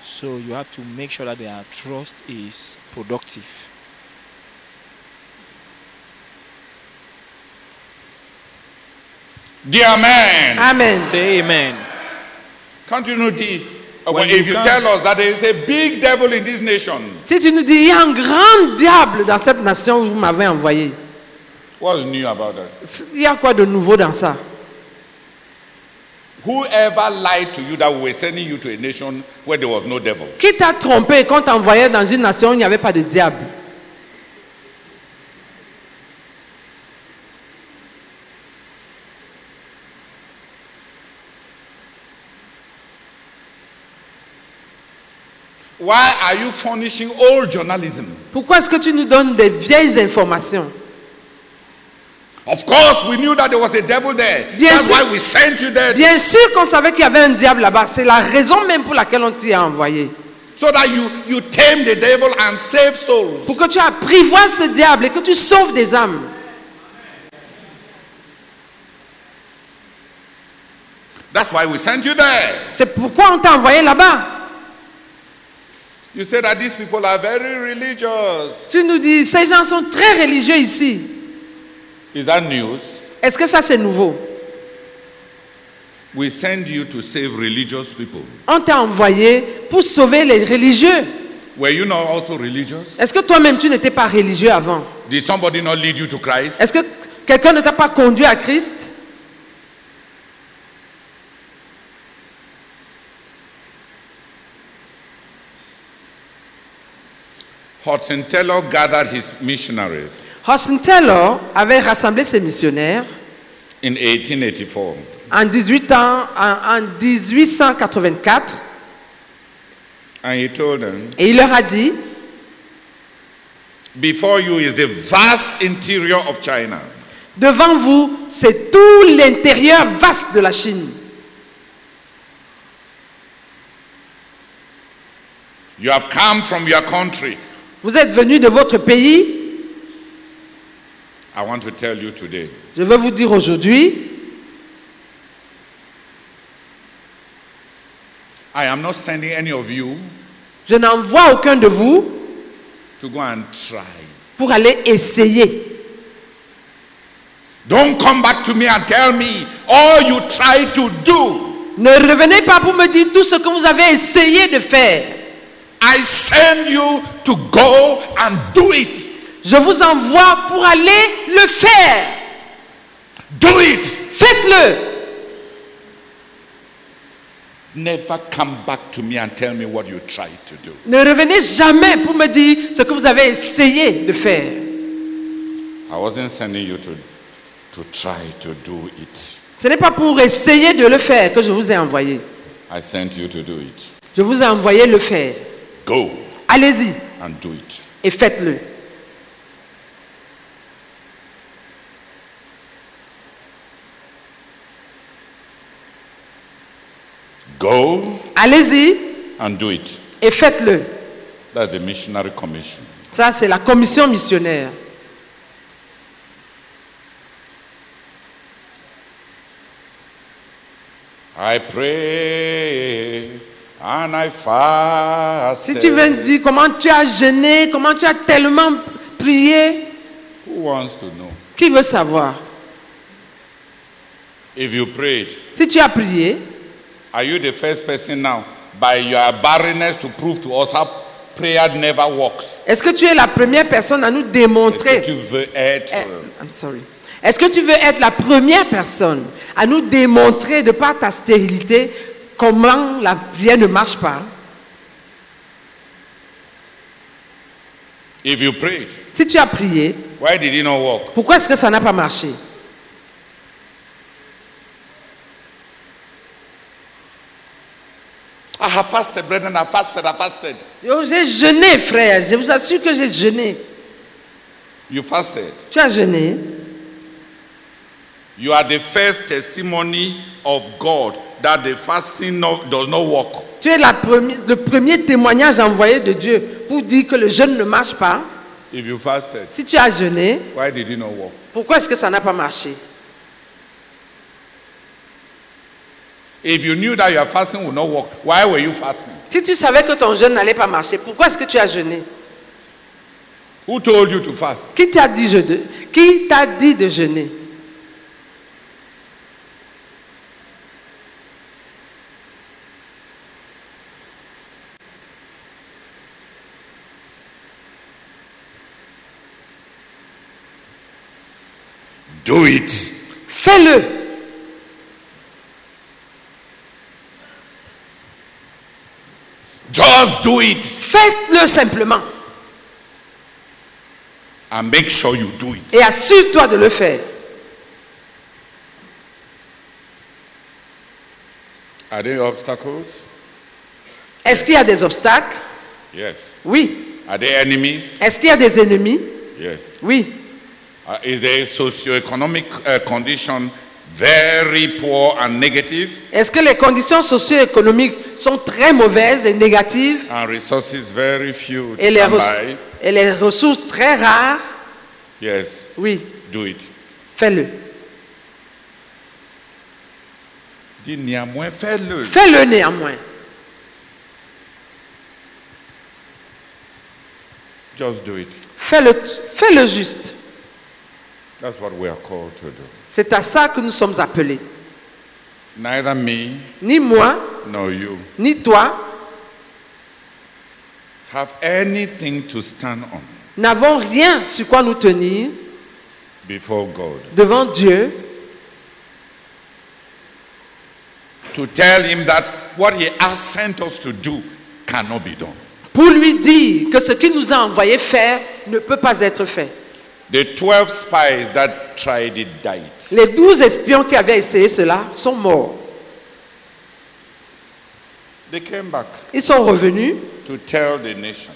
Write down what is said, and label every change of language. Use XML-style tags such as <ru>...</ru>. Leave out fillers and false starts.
<en>So you have to make sure that their trust is productive. Dear man. Amen. Say amen. Can't you dit, when if you tell us that there is a big devil in this nation.</en> <fr>Si tu nous dis il y a un grand diable dans cette nation où vous m'avez envoyé.</fr> <en>What's new about that?</en> <fr>Il y a quoi de nouveau dans ça?</fr> <en>Whoever lied to you that we were sending you to a nation where there was no devil.</en> <fr>Qui t'a trompé quand t'envoyait dans une nation où il n'y avait pas de diable?</fr> <en>Why are you furnishing old journalism?</en> <fr>Pourquoi est-ce que tu nous donnes des vieilles informations?</fr> <en>Of course, we knew that there was a devil there.</en> <fr>Bien</fr> <en>That's</en> <fr>sûr,</fr> <en>why we sent you there.</en> <fr>Bien sûr qu'on savait qu'il y avait un diable là-bas. C'est la raison même pour laquelle on t'y a envoyé.</fr> <en>So that you tame the devil and save souls.</en> <fr>Pour que tu apprivoies ce diable et que tu sauves des âmes.</fr> <en>That's why we sent you there.</en> <fr>C'est pourquoi on t'a envoyé là-bas.</fr> <en>You say that these people are very religious.</en> <fr>Tu nous dis ces gens sont très religieux ici.</fr> <en>Is that news?</en> <fr>Est-ce que ça c'est nouveau?</fr> <en>We send you to save religious people.</en> <fr>On t'a envoyé pour sauver les religieux.</fr> <en>Were you not also religious?</en> <fr>Est-ce que toi-même tu n'étais pas religieux avant?</fr> <en>Did somebody not lead you to Christ?</en> <fr>Est-ce que quelqu'un ne t'a pas conduit à Christ?</fr> <en>Hudson Taylor gathered his missionaries.</en> <fr>Hudson Taylor avait rassemblé ses missionnaires</fr> <en>in 1884.</en> <fr>En 1884.</fr> <en>And he told them,</en> <fr>et il leur a dit,</fr> <en>before you is the vast interior of China.</en> <fr>Devant vous, c'est tout l'intérieur vaste de la Chine.</fr> <en>You have come from your country.</en> <fr>Vous êtes venu de votre pays.</fr> <en>I want to tell you today,</en> <fr>je veux vous dire aujourd'hui.</fr> <en>I am not sending any of you,</en> <fr>je n'envoie aucun de vous</fr> <en>to go and try.</en> <fr>Pour aller essayer.</fr> <en>Don't come back to me and tell me all you try to do.</en> <fr>Ne revenez pas pour me dire tout ce que vous avez essayé de faire.</fr> <en>I send you to go and do it.</en> <fr>Je vous envoie pour aller le faire.</fr> <en>Do it.</en> <fr>Faites-le.</fr> <en>Never come back to me and tell me what you tried to do.</en> <fr>Ne revenez jamais pour me dire ce que vous avez essayé de faire.</fr> <en>I wasn't sending you to try to do it.</en> <fr>Ce n'est pas pour essayer de le faire que je vous ai envoyé.</fr> <en>I sent you to do it.</en> <fr>Je vous ai envoyé le faire.</fr> <en>Go.</en> <fr>Allez-y.</fr> <en>And do it.</en> <fr>Et faites-le.</fr> <en>Go.</en> <fr>Allez-y.</fr> <en>And do it.</en> <fr>Et faites-le.</fr> <en>That's the missionary commission.</en> <fr>Ça, c'est la commission missionnaire.</fr> <en>I pray and I fast.</en> <fr>Si tu viens dire comment tu as jeûné, comment tu as tellement prié.</fr> <en>Who wants to know?</en> <fr>Qui veut savoir?</fr> <en>If you prayed.</en> <fr>Si tu as prié.</fr> <en>Are you the first person now by your barrenness to prove to us how prayer never works?</en> <fr>Est-ce que tu es la première personne à nous démontrer? Est-ce que tu veux être?</fr> <en>I'm sorry.</en> <fr>Est-ce que tu veux être la première personne à nous démontrer de par ta stérilité comment la prière ne marche pas?</fr> <en>If you prayed,</en> <fr>si tu as prié,</fr> <en>why did it not work?</en> <fr>Pourquoi est-ce que ça n'a pas marché?</fr> <en>I have fasted, brethren, I fasted.</en> <fr>Yo, j'ai jeûné, frère. Je vous assure que j'ai jeûné.</fr> <en>You fasted.</en> <fr>Tu as jeûné.</fr> <en>You are the first testimony of God that the fasting does not work.</en> <fr>Tu es le premier témoignage envoyé de Dieu pour dire que le jeûne ne marche pas.</fr> <en>If you fasted,</en> <fr>si tu as jeûné,</fr> <en>why did it not work?</en> <fr>Pourquoi est-ce que ça n'a pas marché?</fr> <en>If you knew that your fasting would not work, why were you fasting?</en> <fr>Si tu savais que ton jeûne n'allait pas marcher, pourquoi est-ce que tu as jeûné?</fr> <en>Who told you to fast?</en> <fr>Qui t'a dit de jeûner?</fr> <en>Do it.</en> <fr>Fais-le.</fr> <en>Just do it.</en> <fr>Faites-le simplement.</fr> <en>And make sure you do it.</en> <fr>Et assure-toi de le faire.</fr> <en>Are there obstacles?</en> <fr>Est-ce qu'il y a des obstacles?</fr> <en>Yes.</en> <fr>Oui.</fr> <en>Are there enemies?</en> <fr>Est-ce qu'il y a des ennemis?</fr> <en>Yes.</en> <fr>Oui.</fr> <en>Is the socio-economic condition very poor and negative?</en> <fr>Est-ce que les conditions socio-économiques sont très mauvaises et négatives?</fr> <en>And resources very few to</en> <fr>et, les et les ressources très rares?</fr> <en>Yes.</en> <fr>Oui.</fr> <en>Do it.</en> <fr>Fais-le. Dis néanmoins, fais-le. Fais-le néanmoins.</fr> <en>Just do it.</en> <fr>Fais-le juste.</fr> <en>That's what we are called to do.</en> <fr>C'est à ça que nous sommes appelés.</fr> <en>Neither me,</en> <fr>ni moi,</fr> <en>nor you,</en> <fr>ni toi,</fr> <en>have anything to stand on.</en> <fr>N'avons rien sur quoi nous tenir.</fr> <en>Before God.</en> <fr>Devant Dieu.</fr> <en>To tell him that what he has sent us to do cannot be done.</en> <fr>Pour lui dire que ce qu'il nous a envoyé faire ne peut pas être fait.</fr> <en>The 12 spies that tried it died.</en> <fr>Les 12 espions qui avaient essayé cela sont morts.</fr> <en>They came back.</en> <fr>Ils sont revenus</fr> <en>to tell the nation.</en>